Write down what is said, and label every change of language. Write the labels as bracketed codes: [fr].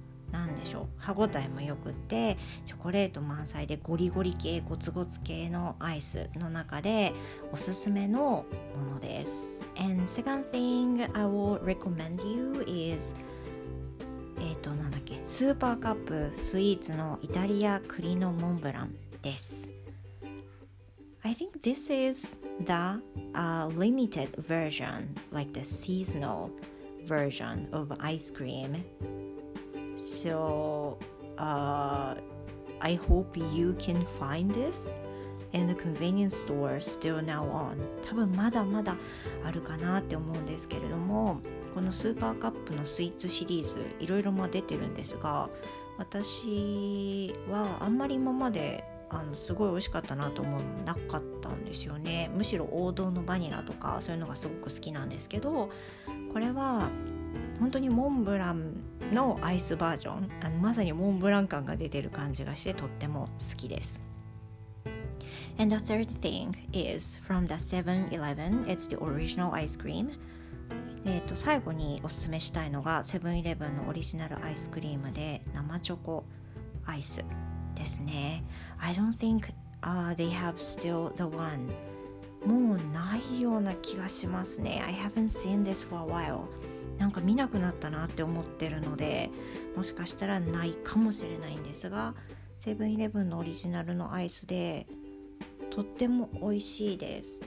[ja] 何でしょう、歯ごたえもよくってチョコレート満載でゴリゴリ系ゴツゴツ系のアイスの中でおすすめのものです。 [en] And second thing I will recommend you is [ja] なんだっけ、スーパーカップスイーツのイタリア栗のモンブランです。 [en] I think this is the limited version, like the seasonal version of ice creamSo, I hope you can find this in the convenience store still now on. [ja] 多分まだまだあるかなって思うんですけれども、このスーパーカップのスイーツシリーズ、いろいろまあ出てるんですが、私はあんまり今まですごい美味しかったなと思うのなかったんですよね。むしろ王道のバニラとかそういうのがすごく好きなんですけど、これは本当にモンブランのアイスバージョン、まさにモンブラン感が出てる感じがしてとっても好きです。 [en] And the third thing is from the 7-Eleven, it's the original ice cream. [ja] 最後におすすめしたいのが 7-Eleven のオリジナルアイスクリームで生チョコアイスですね。 [en] I don't think they have still the one. [ja] もうないような気がしますね。 [en] I haven't seen this for a while. [ja] なんか見なくなったなって思ってるので、もしかしたらないかもしれないんですが、セブンイレブンのオリジナルのアイスでとっても美味しいです。